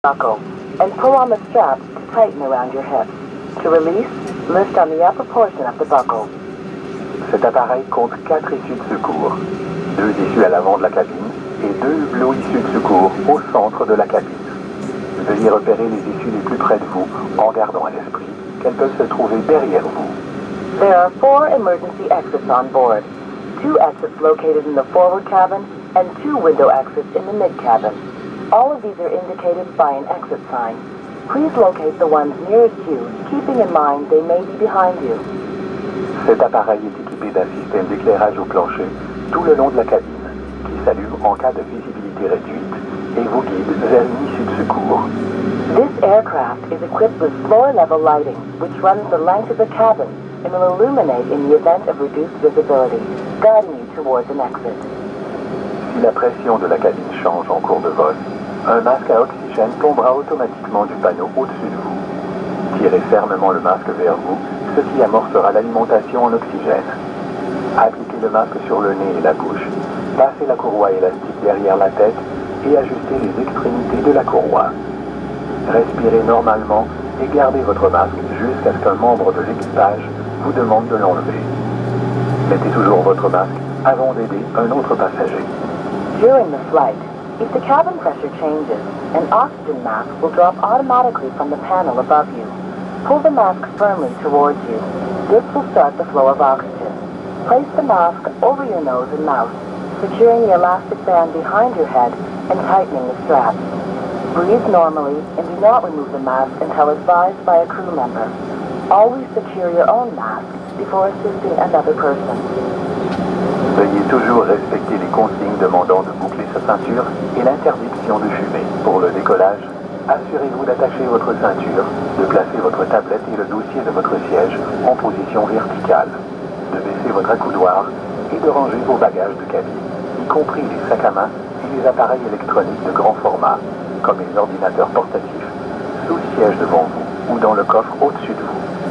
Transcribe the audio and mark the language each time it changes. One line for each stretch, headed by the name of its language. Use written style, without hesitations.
English: buckle, and pull on the strap to tighten around your hip. To release, lift on the upper portion of the buckle.
French: Cet appareil compte 4 issues de secours, 2 issues à l'avant de la cabine et 2 hublots issues de secours au centre de la cabine. Veuillez repérer les issues les plus près de vous en gardant à l'esprit qu'elles peuvent se trouver derrière vous.
English: There are 4 emergency exits on board. 2 exits located in the forward cabin and 2 window exits in the mid cabin. All of these are indicated by an exit sign. Please locate the ones nearest you, keeping in mind they may be behind you.
French: Cet appareil est équipé d'un système d'éclairage au plancher tout le long de la cabine qui s'allume en cas de visibilité réduite et vous guide vers une issue de secours.
English: This aircraft is equipped with floor level lighting which runs the length of the cabin and will illuminate in the event of reduced visibility, guiding you towards an exit.
French: Si la pression de la cabine change en cours de vol, un masque à oxygène tombera automatiquement du panneau au-dessus de vous. Tirez fermement le masque vers vous, ce qui amorcera l'alimentation en oxygène. Appliquez le masque sur le nez et la bouche. Passez la courroie élastique derrière la tête et ajustez les extrémités de la courroie. Respirez normalement et gardez votre masque jusqu'à ce qu'un membre de l'équipage vous demande de l'enlever. Mettez toujours votre masque avant d'aider un autre passager.
English: During the flight, if the cabin pressure changes, an oxygen mask will drop automatically from the panel above you. Pull the mask firmly towards you. This will start the flow of oxygen. Place the mask over your nose and mouth, securing the elastic band behind your head and tightening the strap. Breathe normally and do not remove the mask until advised by a crew member. Always secure your own mask before assisting another person.
French: Veuillez toujours respecter les consignes demandant de boucler sa ceinture et l'interdiction de fumer. Pour le décollage, assurez-vous d'attacher votre ceinture, de placer votre tablette et le dossier de votre siège en position verticale, de baisser votre accoudoir et de ranger vos bagages de cabine, y compris les sacs à main et les appareils électroniques de grand format, comme les ordinateurs portatifs, sous le siège devant vous ou dans le coffre au-dessus de vous.